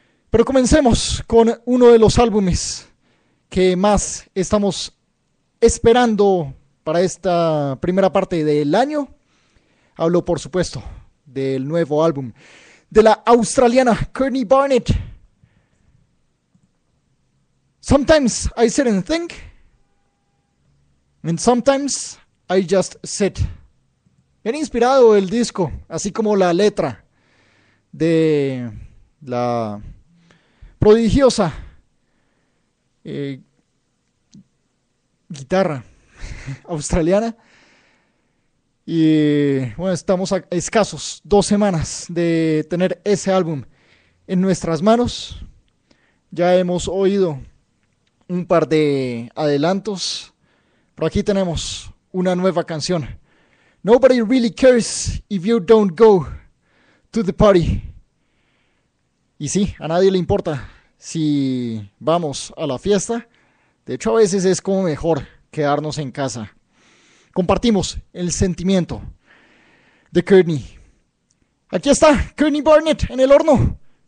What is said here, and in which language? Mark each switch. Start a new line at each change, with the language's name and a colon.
Spanish: Pero comencemos con uno de los álbumes que más estamos esperando para esta primera parte del año. Hablo, por supuesto, del nuevo álbum de la australiana Courtney Barnett.
English: Sometimes I sit and think, and sometimes I just sit.
Spanish: Bien inspirado el disco, así como la letra de la prodigiosa guitarra australiana. Y bueno, estamos a escasos 2 semanas de tener ese álbum en nuestras manos. Ya hemos oído un par de adelantos, pero aquí tenemos una nueva canción.
English: Nobody really cares if you don't go to the party.
Spanish: Y sí, a nadie le importa si vamos a la fiesta. De hecho, a veces es como mejor quedarnos en casa. Compartimos el sentimiento de Courtney. Aquí está Courtney Barnett en El Horno.